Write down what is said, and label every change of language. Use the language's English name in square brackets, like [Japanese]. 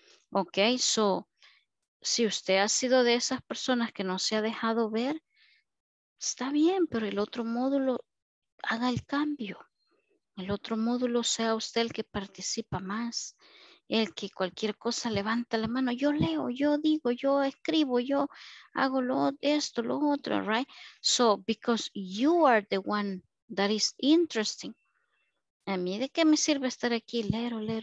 [Spanish] Ok, so, si usted ha sido de esas personas que no se ha dejado ver, está bien, pero el otro módulo haga el cambio. El otro módulo sea usted el que participa más, el que cualquier cosa levanta la mano. Yo leo, yo digo, yo escribo, yo hago lo otro, right? [English] So, because you are the one that is interesting. [Spanish] ¿A mí de qué me sirve estar aquí? Lero.